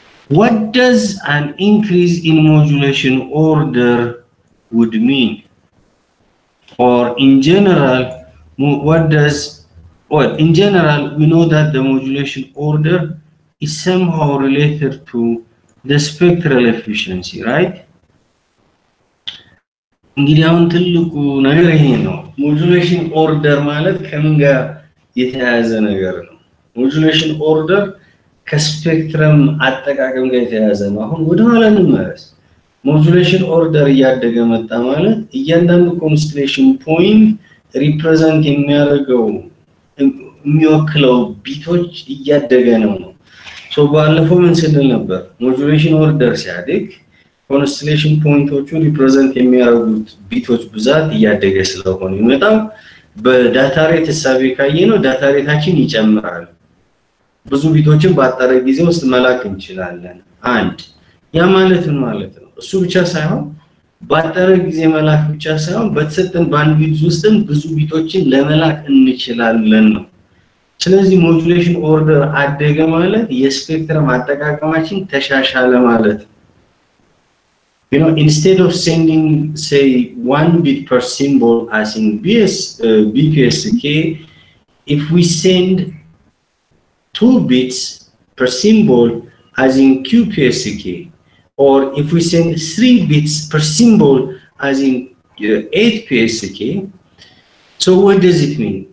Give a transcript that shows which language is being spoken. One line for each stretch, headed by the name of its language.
English: What does an increase in modulation order would mean? Or in general, in general, we know that the modulation order is somehow related to the spectral efficiency, right?
Amharic: እንግዲህ አሁን ትልቁ ነገር ይሄ ነው። ሞጁሌሽን ኦርደር ማለት ከምን ጋር የተያያዘ ነገር ነው? ሞጁሌሽን ኦርደር ከስፔክትረም አጠቃቀም ጋር የተያያዘ ነው። አሁን ወደኋላ እንመለስ። ሞጁሌሽን ኦርደር እያደገ መጣ ማለት እያንዳንዱ ኮንስትሌሽን ፖይንት ሪፕሬዘንት የሚያደርገው የሚወክለው ቢቶች እያደገ ነው ነው ሶ ባለፈው ምን ስንል ነበር? ሞጁሌሽን ኦርደር ሲያድግ ኮንስትሌሽን ፖይንቶቹ ሪፕሬዘንት የሚያደርጉት ቢቶች ብዛት እያደገ ስለሆነ ይመጣው በዳታ ሬት እሳቤ ካየ ነው ዳታ ሬታችን ይጨምራል። ብዙ ቢቶችን ባጠረ ጊዜ ውስጥ መላክ እንችላለን። አንድ ያ ማለት ምን ማለት ነው? እሱ ብቻ ሳይሆን ባጠረ ጊዜ መላክ ብቻ ሳይሆን በተሰጠን ባንድዊድዝ ውስጥም ብዙ ቢቶችን ለመላክ እንችላለን ነው። ስለዚህ ሞጁሌሽን ኦርደር አደገ ማለት የስፔክትረም አጠቃቀማችን ተሻሻለ ማለት ነው።
English: You know, instead of sending, say, 1 bit per symbol as in BPSK, if we send 2 bits per symbol as in QPSK, or if we send 3 bits per symbol as in 8PSK, so what does it mean?